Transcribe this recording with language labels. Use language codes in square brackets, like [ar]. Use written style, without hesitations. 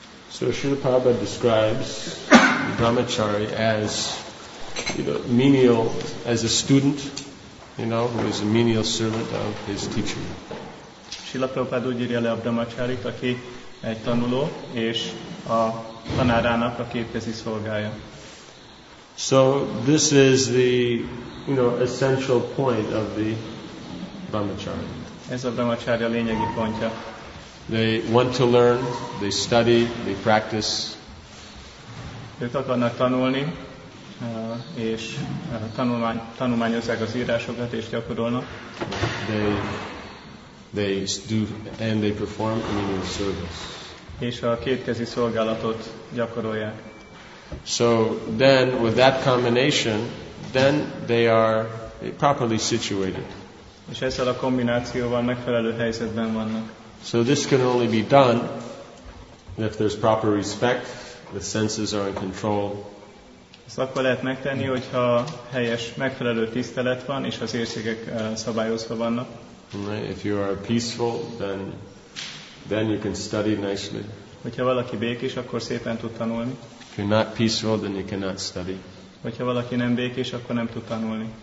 [en] So Srila Prabhupada describes the brahmachari as, you know, menial, as a student, you know, who is a menial servant of his teacher. [hu] Srila Prabhupada úgy írja le a brahmacharit, aki egy tanuló, és a tanárának a képezi szolgája. [en] So this is the, you know, essential point of the brahmachari. [hu] Ez a brahmacharya lényegi pontja. [en] They want to learn, they study, they practice. [hu] Ők akarnak tanulni, és tanulmányozzák az írásokat, és gyakorolnak. [en] They do and they perform menial service. [hu] És a kétkezi szolgálatot gyakorolják. [en] So then, with that combination, then they are properly situated. [hu] És ezzel a kombinációval megfelelő helyzetben vannak. [en] So this can only be done if there's proper respect, the senses are in control. [hu] Ezt akkor lehet megtenni, hogyha helyes, megfelelő tisztelet van, és az érzékek szabályozva vannak. [en] If you are peaceful, then you can study nicely. [hu] Hogyha valaki békés, akkor szépen tud tanulni. [en] If you're not peaceful, then you cannot study. [hu] Hogyha valaki nem békés, akkor nem tud tanulni.